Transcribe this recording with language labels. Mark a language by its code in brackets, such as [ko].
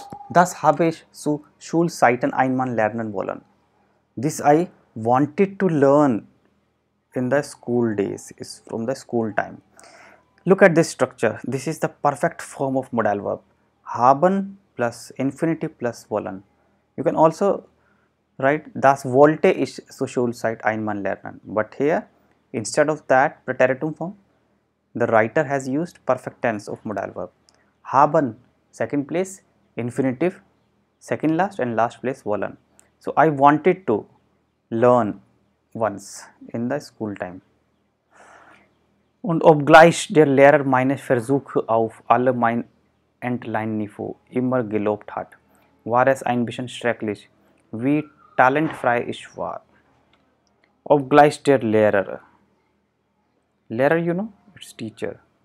[de] Das habe ich zu Schulzeiten einmal lernen wollen. [en] This I wanted to learn in the school days, is from the school time. Look at this structure. This is the perfect form of modal verb. Haben plus infinitive plus wollen. You can also write [de] das wollte ich zu Schulzeit einmal lernen. [en] But here, instead of that preteritum form, the writer has used perfect tense of modal verb. Haben, second place. Infinitive, second last and last place wollen. So I wanted to learn once in the school time. [de] Und obgleich der Lehrer meine Versuche auf alle mein Entlein-Niveau immer gelobt hat, war es ein bisschen schrecklich, wie talentfrei ich war. Obgleich der Lehrer. [en] Lehrer, you know, it's teacher.